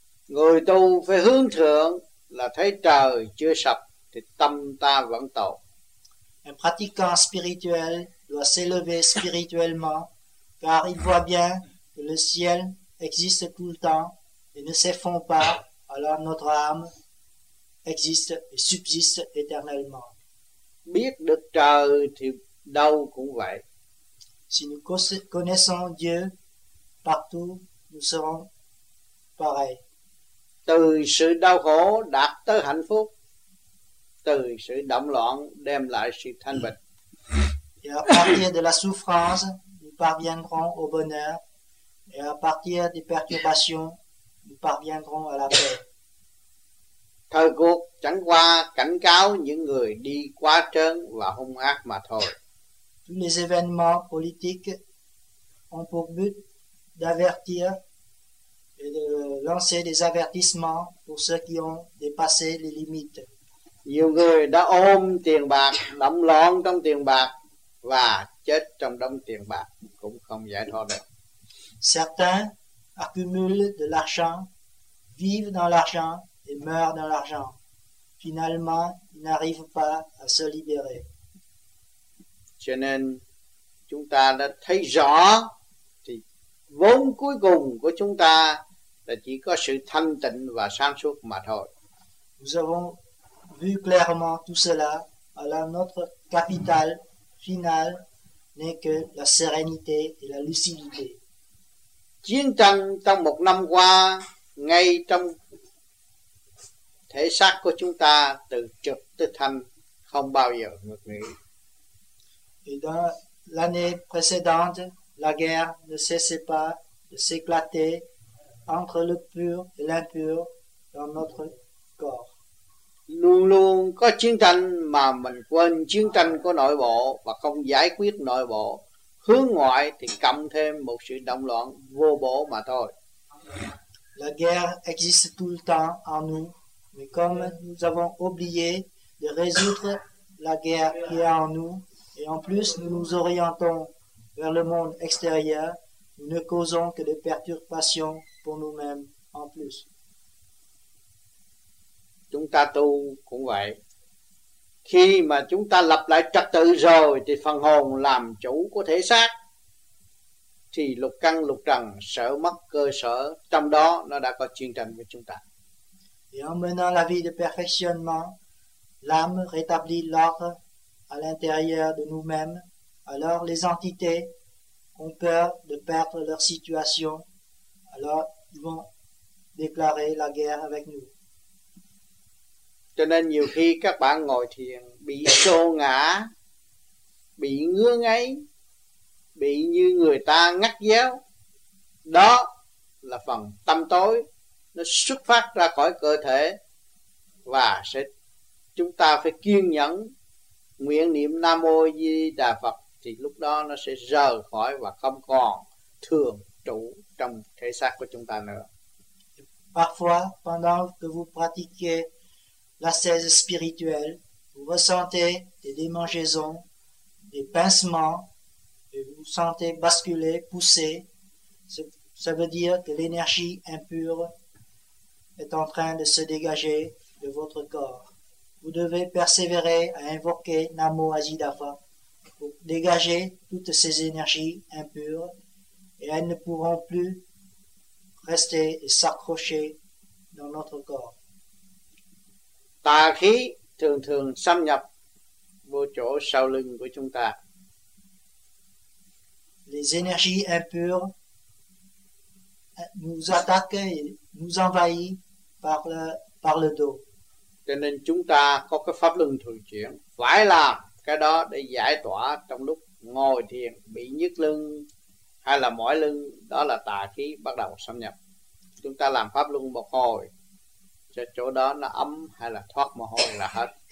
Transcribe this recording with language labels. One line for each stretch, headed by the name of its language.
Vietnamese: Người tu phải hướng thượng là thấy trời chưa sập thì tâm ta vẫn tội.
French: Un pratiquant spirituel doit s'élever spirituellement car il voit bien que le ciel existe tout le temps et ne s'effondre pas. Alors notre âme existe et subsiste éternellement.
Vietnamese: Biết được trời thì đâu cũng vậy.
French: Si nous connaissons Dieu partout, nous serons pareils.
Vietnamese: Từ sự đau khổ đạt tới hạnh phúc, từ sự động loạn đem lại sự thanh bình.
French: Et à partir de la souffrance, nous parviendrons au bonheur. Et à partir des perturbations, nous parviendrons à la paix.
Vietnamese: Thời cuộc chẳng qua cảnh cáo những người đi quá trớn và hung ác mà thôi.
French: Tous les événements politiques ont pour but d'avertir et de lancer des avertissements pour ceux qui ont dépassé les limites.
Vietnamese: Nhiều người đã ôm tiền bạc, động loạn trong tiền bạc và chết trong đống tiền bạc cũng không giải thoát được.
French: Certains accumulent de l'argent, vivent dans l'argent et meurent dans l'argent. Finalement, ils n'arrivent pas à se libérer.
Vietnamese: Cho nên, chúng ta đã thấy rõ thì vốn cuối cùng của chúng ta là chỉ có sự thanh tịnh và sáng suốt mà thôi.
French: Nous avons vu clairement tout cela. Alors notre capital final n'est que la sérénité et la lucidité.
Vietnamese: Chiến tranh trong một năm qua ngay trong thể xác của chúng ta từ trực tới thanh không bao giờ ngược nghỉ.
French: Et dans l'année précédente, la guerre ne cessait pas de s'éclater entre le pur et l'impur dans notre corps.
Vietnamese: Luôn luôn có chiến tranh mà mình quên chiến tranh của nội bộ và không giải quyết nội bộ, hướng ngoại thì cầm thêm một sự động loạn vô bổ mà thôi.
French: La guerre existe tout le temps en nous, mais comme nous avons oublié de résoudre la guerre qui est en nous, et en plus nous nous orientons vers le monde extérieur, nous ne causons que des perturbations pour nous-mêmes en plus.
Vietnamese: Chúng ta tu cũng vậy. Khi mà chúng ta lập lại trật tự rồi thì phần hồn làm chủ của thể xác, thì lục căn lục trần sợ mất cơ sở, trong đó nó đã có chiến tranh với chúng ta.
French: Et en menant la vie de perfectionnement, l'âme rétablit l'ordre à l'intérieur de nous-mêmes, alors les entités ont peur de perdre leur situation, alors ils vont déclarer la guerre avec nous.
Vietnamese: Cho nên nhiều khi các bạn ngồi thiền bị xô ngã, bị ngứa ngáy, bị như người ta ngắt giáo. Đó là phần tâm tối, nó xuất phát ra khỏi cơ thể, và sẽ chúng ta phải kiên nhẫn nguyện niệm Nam Mô Di Đà Phật, thì lúc đó nó sẽ rời khỏi và không còn thường trụ trong thể xác của chúng ta nữa.
French: Parfois, pendant que vous pratiquez l'ascèse spirituelle, vous ressentez des démangeaisons, des pincements, et vous sentez basculer, pousser. Ça veut dire que l'énergie impure est en train de se dégager de votre corps. Vous devez persévérer à invoquer Namo Ajida Phat pour dégager toutes ces énergies impures, et elles ne pourront plus rester et s'accrocher dans notre corps.
Vietnamese: Tà khí thường thường xâm nhập vô chỗ sau lưng của chúng ta.
French: Les énergies impures nous attaquent et nous envahissent par le dos.
Vietnamese: Cho nên chúng ta có cái pháp luân thường chuyển, phải làm cái đó để giải tỏa trong lúc ngồi thiền bị nhức lưng hay là mỏi lưng, đó là tà khí bắt đầu xâm nhập. Chúng ta làm pháp luân một hồi, cho chỗ đó nó ấm hay là thoát mồ hôi là hết.